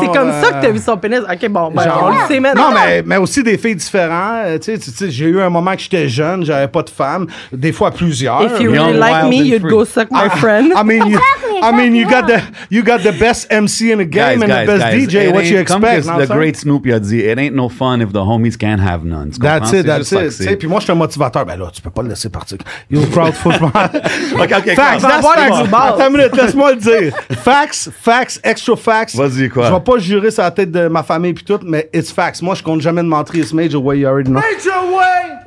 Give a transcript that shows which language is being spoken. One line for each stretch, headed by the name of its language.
French: c'est comme ça que t'as vu son pénis. OK, bon, ben, genre, on le sait maintenant. Non, mais aussi des filles différentes. T'sais, j'ai eu un moment que j'étais jeune, j'avais pas de femme. Des fois, plusieurs.
English: If you really like me, you'd go suck my friend. I mean, you, I mean, you got the best MC in the game and the best DJ. What you expect? The great Snoop
French: a dit,
English: it ain't no fun if the homies can't have none. That's it. That's it.
French: Puis moi, je suis un motivateur. Ben là, tu peux pas le laisser partir.
English: You crowd football. Facts. That's facts.
French: Attends une minute. Laisse-moi le dire.
English: Facts. Facts. Extra facts.
French: Vas-y, quoi. Je vais pas jurer sur la tête de ma famille puis tout, mais
English: it's facts.
French: Moi, je compte jamais de mentir.
English: It's major way, you already know. Major way.